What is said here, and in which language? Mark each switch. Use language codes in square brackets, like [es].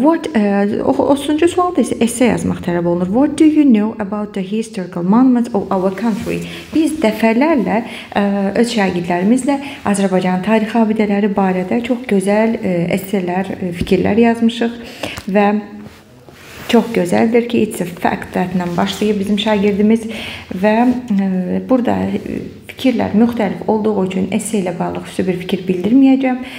[az] What 30-cu sualda isə essay yazmaq tələb olunur. [en] What do you know about the historical monuments of our country? [az] Biz dəfələrlə öz şagirdlərimizlə Azərbaycanın tarixi abidələri barədə çox gözəl esseylər, fikirlər yazmışıq və çox gözəldir ki, [en] it's a fact that [az] ilə başlayıb bizim şagirdimiz və burada fikirlər müxtəlif olduğu üçün esse ilə bağlı xüsusi bir fikir bildirməyəcəm.